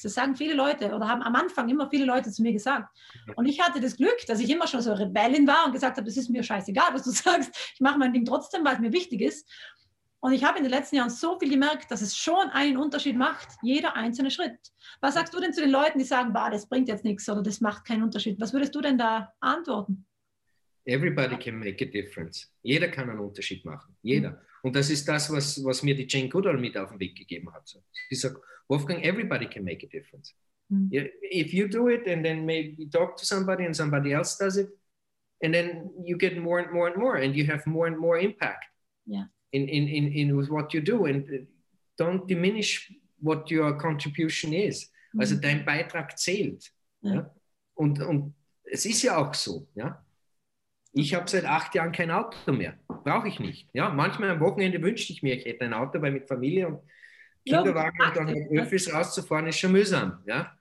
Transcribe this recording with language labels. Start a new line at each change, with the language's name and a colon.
German: Das sagen viele Leute oder haben am Anfang immer viele Leute zu mir gesagt. Und ich hatte das Glück, dass ich immer schon so Rebellin war und gesagt habe, es ist mir scheißegal, was du sagst. Ich mache mein Ding trotzdem, weil es mir wichtig ist. Und ich habe in den letzten Jahren so viel gemerkt, dass es schon einen Unterschied macht, jeder einzelne Schritt. Was sagst du denn zu den Leuten, die sagen, bah, das bringt jetzt nichts oder das macht keinen Unterschied? Was würdest du denn da antworten?
English: Everybody can make a difference.
German: Jeder kann einen Unterschied machen. Jeder. Und das ist das, was mir die Jane Goodall mit auf den Weg gegeben hat. Sie sagt,
English: Wolfgang, everybody can make a difference. If you do it and then maybe you talk to somebody and somebody else does it and then you get more and more and more and you have more and more impact. Yeah. In with what you do and don't diminish what your contribution is. Mhm.
German: Also dein Beitrag zählt. Ja. Ja? Und es ist ja auch so. Ja? Ich habe seit 8 Jahren kein Auto mehr. Brauche ich nicht. Ja? Manchmal am Wochenende wünschte ich mir, ich hätte ein Auto, weil mit Familie und Kinderwagen und dann mit Öffis rauszufahren, ist schon mühsam. Ja?